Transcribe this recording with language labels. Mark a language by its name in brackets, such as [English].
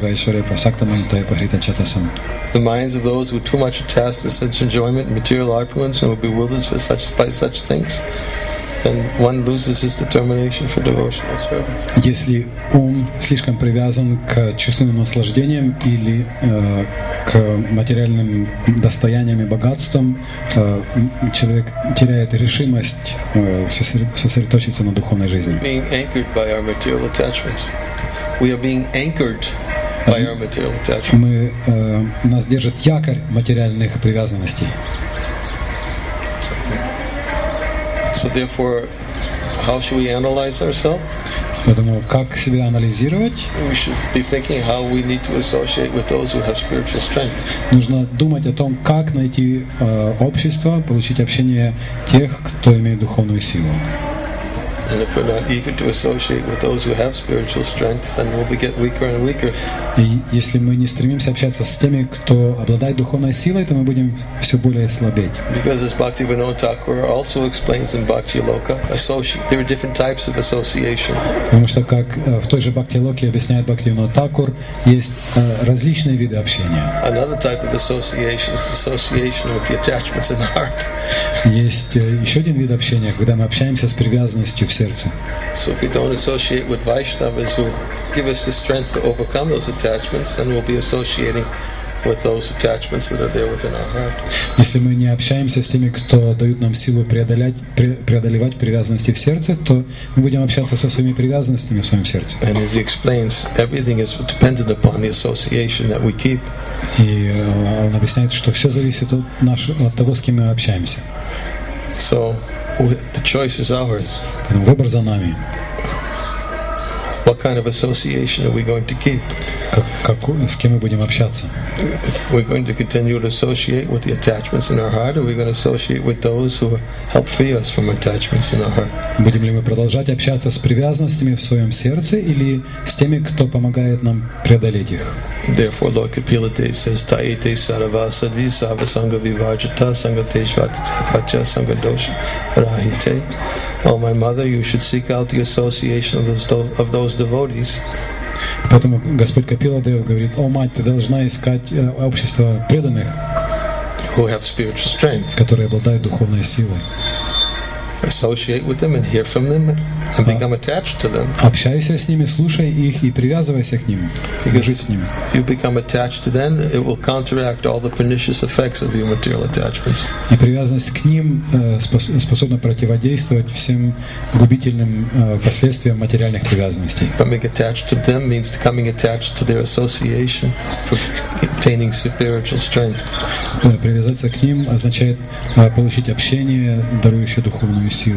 [English] The minds of those who too much attach to such enjoyment and material opulence and are bewildered by such things, then one loses his determination for devotional service. [Russian] Если ум слишком привязан к чувственным наслаждениям или к материальным достояниям и богатствам, человек теряет решимость сосредоточиться на духовной жизни. [English] Being anchored by our material attachments, we are being anchored. By our material attachments. [Russian] Мы нас держит якорь материальных привязанностей. [English] So therefore, how should we analyze ourselves? [Russian] Поэтому как себя анализировать? [English] We should be thinking how we need to associate with those who have spiritual strength. [Russian] Нужно думать о том, как найти общество, получить общение тех, кто имеет духовную силу. [English] And if we're not eager to associate with those who have spiritual strength, then we'll get weaker and weaker. [Russian] И если мы не стремимся общаться с теми, кто обладает духовной силой, то мы будем все более слабеть. [English] Because as Bhaktivinoda Thakur also explains in Bhakti Loka, there are different types of association. [Russian] Потому что как в той же Бхакти Локе объясняет Бхактивинода Такур, есть различные виды общения. [English] Another type of association is association with the attachments in the heart. [Russian] Есть еще один вид общения, когда мы общаемся с привязанностью в сердце. [English] So if we don't associate with Vaishnavas who give us the strength to overcome those attachments, then we'll be associating with those attachments that are there within our heart. [Russian] Если мы не общаемся с теми, кто дают нам силу преодолевать привязанности в сердце, то мы будем общаться со своими привязанностями в своем сердце. [English] And as he explains, everything is dependent upon the association that we keep. [Russian] И он объясняет, что все зависит от того, с кем мы общаемся. [English] So the choice is ours. [Russian] Выбор за нами. [English] What kind of association are we going to keep? [Russian] С кем мы будем общаться? [English] We're going to continue to associate with the attachments in our heart, or we're going to associate with those who help free us from attachments in our heart? [Russian] Будем ли мы продолжать общаться с привязанностями в своем сердце или с теми, кто помогает нам преодолеть их? [English] Therefore, Lord Kapila Dev says, [Sanskrit] "Taite sarva sadvi sava sanga vivajita sanga teshvatita pacha sanga dosha rahite." [English] Oh, my mother, you should seek out the association of those devotees. [Russian] Поэтому Господь Капила Дев говорит: О, мать, ты должна искать общество преданных, [English] who have spiritual strength, [Russian] которые обладают духовной силой. [English] Associate with them and hear from them and become attached to them. [Russian] Общайся с ними, слушай их и привязывайся к ним. Дружи с ними. [English] If you become attached to them, it will counteract all the pernicious effects of your material attachments. [Russian] И привязанность к ним способна противодействовать всем губительным последствиям материальных привязанностей. [English] Becoming attached to them means becoming attached to their association for obtaining spiritual strength. [Russian] Привязаться к ним означает получить общение, дарующее духовную.